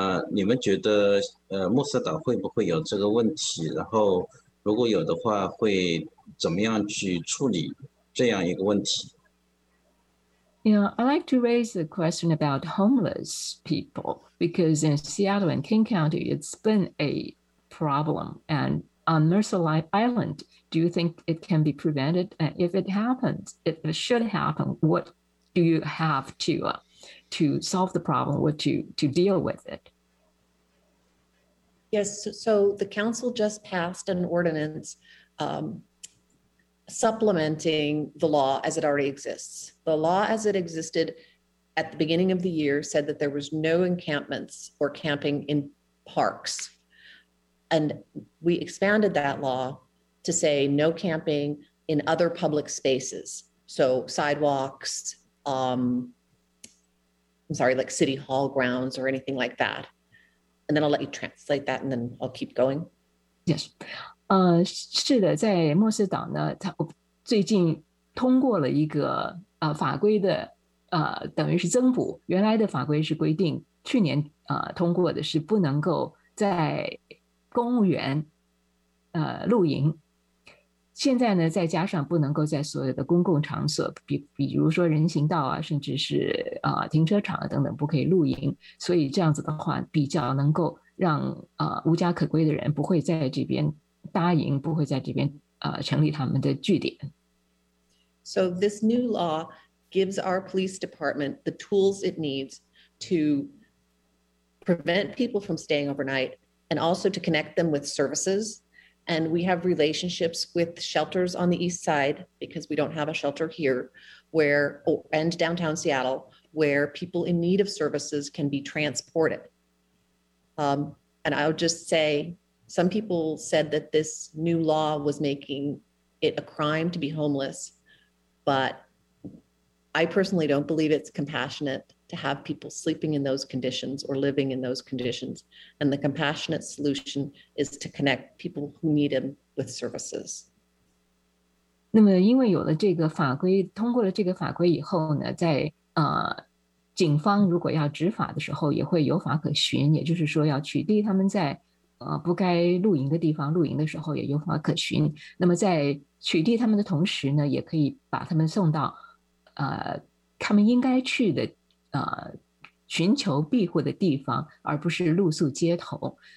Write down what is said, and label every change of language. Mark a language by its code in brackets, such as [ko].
[zh] 你们觉得暮色岛会不会有这个问题？然后如果有的话，会怎么样去处理这样一个问题？ [en] You know, I'd like to raise the question about homeless people, because in Seattle and King County, it's been a problem. And on Mercer Island, do you think it can be prevented? And if it happens, if it should happen, what do you have to solve the problem or to deal with it? Yes, so the council just passed an ordinance supplementing the law as it already exists. The law as it existed at the beginning of the year said that there was no encampments or camping in parks. And we expanded that law to say no camping in other public spaces. So sidewalks, like city hall grounds or anything like that. And then I'll let you translate that and then I'll keep going. Yes. [zh] 是的，在暮色岛呢，他最近通过了一个法规的等于是增补。原来的法规是规定去年通过的是不能够在公务员露营。现在呢，再加上不能够在所有的公共场所，比如说人行道啊，甚至是停车场啊等等，不可以露营。所以这样子的话，比较能够让无家可归的人不会在这边搭营，不会在这边成立他们的据点。 [en] So this new law gives our police department the tools it needs to prevent people from staying overnight and also to connect them with services. And we have relationships with shelters on the east side, because we don't have a shelter here, and downtown Seattle, where people in need of services can be transported. And I'll just say, some people said that this new law was making it a crime to be homeless, but I personally don't believe it's compassionate to have people sleeping in those conditions or living in those conditions. And the compassionate solution is to connect people who need them with services. [zh] 那么因为有了这个法规，通过了这个法规以后呢，在警方如果要执法的时候也会有法可循，也就是说要取缔他们在不该露营的地方露营的时候也有法可循。那么在取缔他们的同时呢，也可以把他们送到他们应该去的寻求庇护的地方，而不是露宿街头。